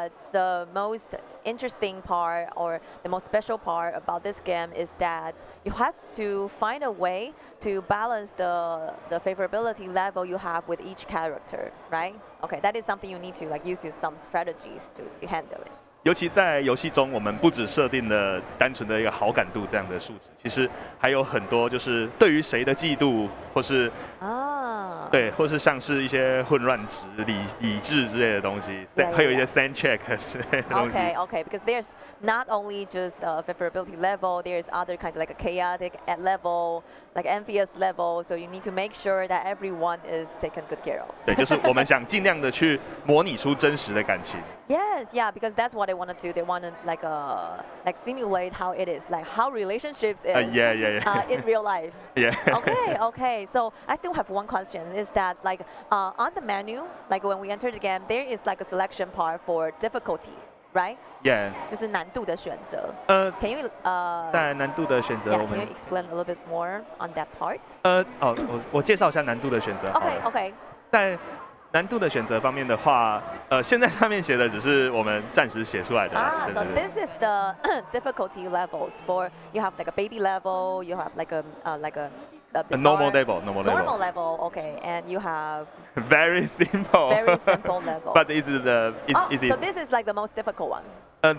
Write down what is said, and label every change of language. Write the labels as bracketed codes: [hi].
[en] The most interesting part or the most special part about this game is that you have to find a way to balance the favorability level you have with each character, right? Okay, that is something you need to like use some strategies to handle it. [zh] 尤其在游戏中，我们不只设定了单纯的一个好感度这样的数值，其实还有很多就是对于谁的嫉妒，或是啊，对，或是像是一些混乱值、理智之类的东西， [en] yeah, yeah. [zh] 会有一些 sand check 之类的东西。 [en] Okay, okay, because there's not only just a favorability level, there's other kinds of like a chaotic level, like envious level. So you need to make sure that everyone is taken good care of. [zh] 对，就是我们想尽量的去模拟出真实的感情。 [en] Yes, yeah, because that's what they want to do. They want to like like simulate how it is, like how relationships is in real life. Yeah. Okay, okay. So I still have one question. Is that like on the menu, like when we enter the game, there is like a selection part for difficulty, right? Yeah. [zh] 就是难度的选择。 [en] Can you [zh] 在难度的选择 [en] yeah, [zh] 我们 [en] Can you explain a little bit more on that part? [zh] 我介绍一下难度的选择。 [en] Okay, okay. [zh] 在难度的选择方面的话，现在上面写的只是我们暂时写出来的。 [en] So this is the difficulty levels for you have like a baby level, you have like a normal level, normal level. Normal level, okay, and you have very simple. Very simple level. But this is the easy. So this is like the most difficult one.